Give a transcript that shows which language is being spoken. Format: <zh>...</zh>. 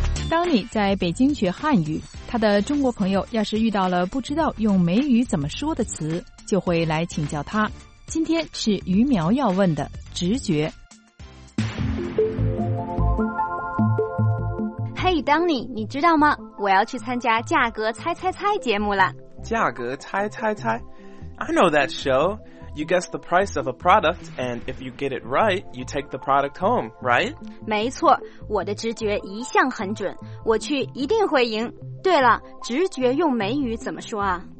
<zh>当你在北京学汉语，他的中国朋友要是遇到了不知道用美语怎么说的词，就会来请教他。今天是于苗要问的直觉。 Hey, Donny, 你知道吗？我要去参加《价格猜猜猜》节目了。</zh> <en>价格猜猜猜 ？I know that show. You guess the price of a product, and if you get it right, you take the product home, right?</en> <zh>没错，我的直觉一向很准，我去一定会赢。对了，直觉用美语怎么说啊</zh>